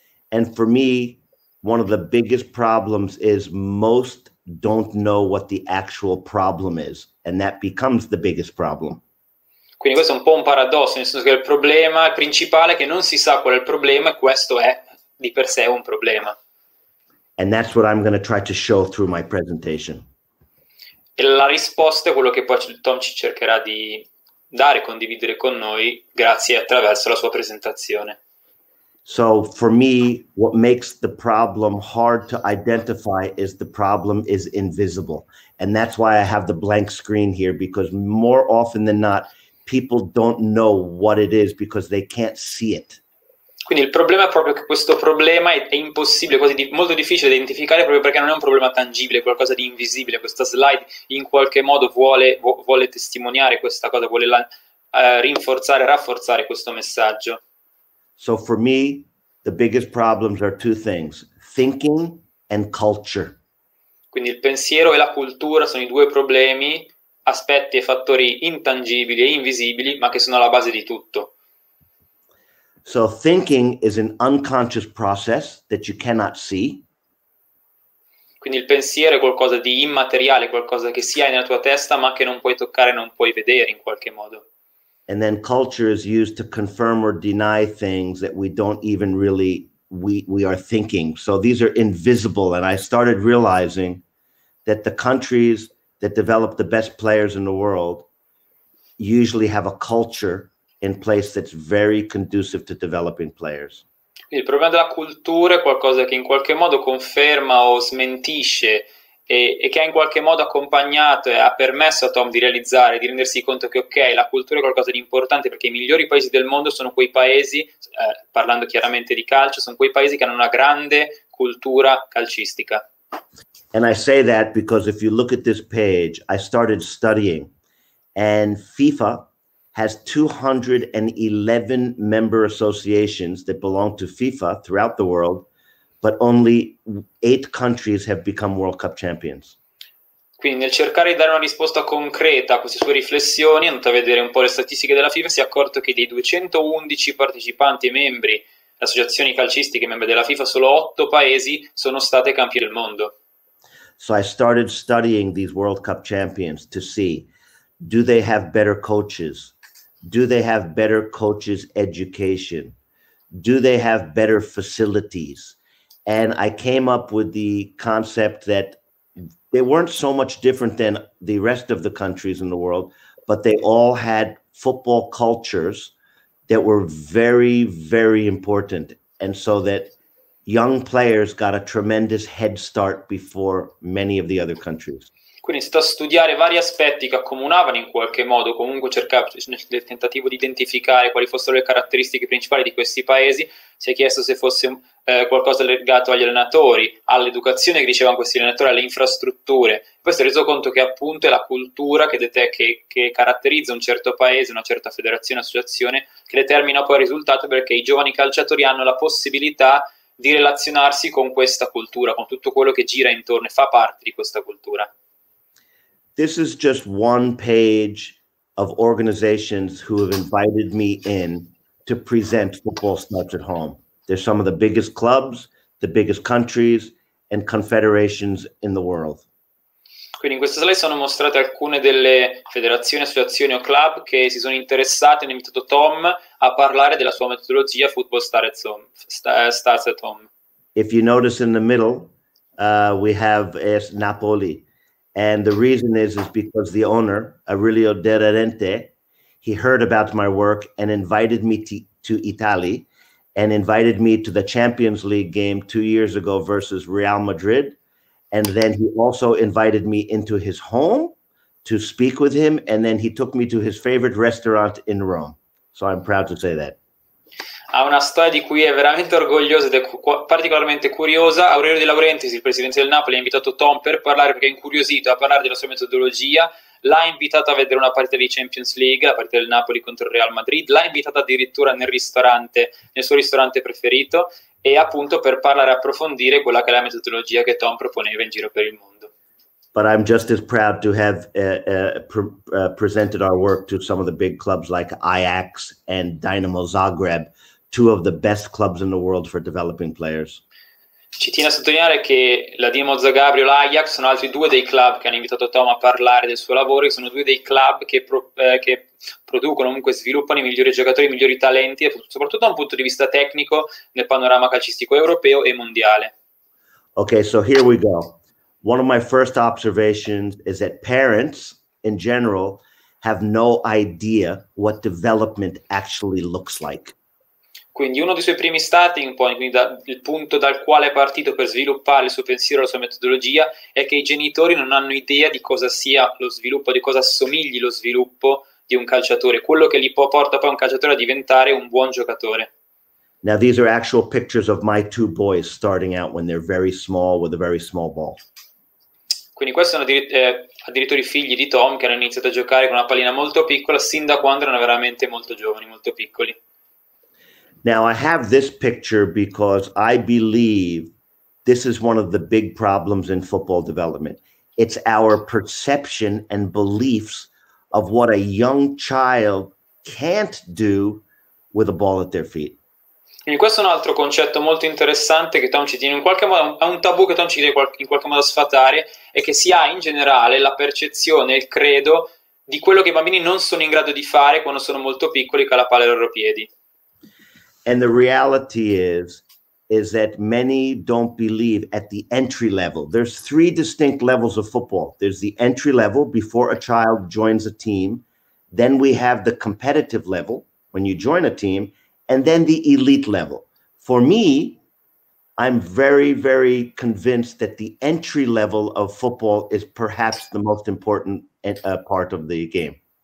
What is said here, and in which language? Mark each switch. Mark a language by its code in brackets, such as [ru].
[en] And for me, one of the biggest problems is most don't know what the actual problem is, and that becomes the biggest problem. [it] Quindi questo è un po' un paradosso, nel senso che il problema principale è che non si sa qual è il problema e questo è di per sé un problema. [en] And that's what I'm going to try to show through my presentation. [it] E la risposta è quello che poi Tom ci cercherà di dare, condividere con noi, grazie attraverso la sua presentazione. [en] So for me, what makes the problem hard to identify is the problem is invisible. And that's why I have the blank screen here, because more often than not, people don't know what it is because they can't see it. [it] Quindi il problema è proprio che questo problema è impossibile, quasi molto difficile da identificare, proprio perché non è un problema tangibile, qualcosa di invisibile. Questa slide in qualche modo vuole testimoniare questa cosa, vuole rafforzare questo messaggio. [en] So for me the biggest problems are two things: thinking and culture. [it] Quindi il pensiero e la cultura sono i due problemi, aspetti e fattori intangibili e invisibili, ma che sono alla base di tutto. [en] So thinking is an unconscious process that you cannot see. [it] Quindi il pensiero è qualcosa di immateriale, qualcosa che si ha nella tua testa, ma che non puoi toccare, non puoi vedere in qualche modo. [en] And then culture is used to confirm or deny things that we don't even really, we are thinking. So these are invisible, and I started realizing that the countries that develop the best players in the world usually have a culture in place that's very conducive to developing players. [it] Il problema della cultura è qualcosa che in qualche modo conferma o smentisce e che ha in qualche modo accompagnato e ha permesso a Tom di realizzare, di rendersi conto che ok, la cultura è qualcosa di importante, perché i migliori paesi del mondo sono quei paesi, parlando chiaramente di calcio, sono quei paesi che hanno una grande cultura calcistica. [en] And I say that because if you look at this page, I started studying, and FIFA has 211 member associations that belong to FIFA throughout the world, but only 8 countries have become World Cup champions. [it] Quindi nel cercare di dare una risposta concreta a queste sue riflessioni, andando a vedere un po' le statistiche della FIFA, si è accorto che dei 211 partecipanti e membri, associazioni calcistiche, membri della FIFA, solo 8 paesi sono state campioni del mondo. [en] So I started studying these World Cup champions to see, do they have better coaches? Do they have better coaches' education? Do they have better facilities? And I came up with the concept that they weren't so much different than the rest of the countries in the world, but they all had football cultures that were very, very important. And so that young players got a tremendous head start before many of the other countries. [it] Quindi sto a studiare vari aspetti che accomunavano in qualche modo, comunque nel tentativo di identificare quali fossero le caratteristiche principali di questi paesi, si è chiesto se fosse qualcosa legato agli allenatori, all'educazione che dicevano questi allenatori, alle infrastrutture. Poi si è reso conto che appunto è la cultura che caratterizza un certo paese, una certa federazione, associazione, che determina poi il risultato, perché i giovani calciatori hanno la possibilità di relazionarsi con questa cultura, con tutto quello che gira intorno e fa parte di questa cultura. [en] This is just one page of organizations who have invited me in to present Football Starts at Home. They're some of the biggest clubs, the biggest countries, and confederations in the world. [it] Quindi in questa slide sono mostrate alcune delle federazioni, associazioni o club che si sono interessate, hanno invitato Tom a parlare della sua metodologia Football Starts at Home. [en] If you notice in the middle, we have Napoli. And the reason is because the owner, Aurelio De Rente, he heard about my work and invited me to Italy and invited me to the Champions League game 2 years ago versus Real Madrid. And then he also invited me into his home to speak with him. And then he took me to his favorite restaurant in Rome. So I'm proud to say that. [it] Ha una storia di cui è veramente orgoglioso ed è particolarmente curiosa. Aurelio De Laurentiis, il presidente del Napoli, ha invitato Tom per parlare perché è incuriosito a parlare della sua metodologia. L'ha invitato a vedere una partita di Champions League, la partita del Napoli contro il Real Madrid. L'ha invitato addirittura nel ristorante, nel suo ristorante preferito, e appunto per parlare e approfondire quella che è la metodologia che Tom proponeva in giro per il mondo. [en] But I'm just as proud to have presented our work to some of the big clubs like Ajax and Dynamo Zagreb, two of the best clubs in the world for developing players. [it] Ci tiene a sottolineare che la Dynamo Zagreb e l'Ajax sono altri due dei club che hanno invitato Tom a parlare del suo lavoro, e sono due dei club che producono, comunque sviluppano i migliori giocatori, i migliori talenti, soprattutto da un punto di vista tecnico nel panorama calcistico europeo e mondiale. [en] Okay, so here we go. One of my first observations is that parents in general have no idea what development actually looks like. [it] Quindi uno dei suoi primi [en] starting point, [it] quindi il punto dal quale è partito per sviluppare il suo pensiero, la sua metodologia, è che i genitori non hanno idea di cosa sia lo sviluppo, di cosa assomigli lo sviluppo di un calciatore, quello che li porta poi un calciatore a diventare un buon giocatore. [en] Now these are actual pictures of my two boys starting out when they're very small with a very small ball. [it] Quindi questi sono addirittura i figli di Tom che hanno iniziato a giocare con una pallina molto piccola sin da quando erano veramente molto giovani, molto piccoli. [en] Now I have this picture because I believe this is one of the big problems in football development. It's our perception and beliefs of what a young child can't do with a ball at their feet. [it] Quindi questo è un altro concetto molto interessante che Tom ci tiene in qualche modo, è un tabù che Tom ci tiene in qualche modo a sfatare, e che si ha in generale la percezione, il credo di quello che i bambini non sono in grado di fare quando sono molto piccoli con la palla ai loro piedi. [en] And the reality is that many don't believe at the entry level. There's three distinct levels of football. There's the entry level before a child joins a team. Then we have the competitive level when you join a team. And then the elite level. For me, I'm very, very convinced that the entry level of football is perhaps the most important part of the game.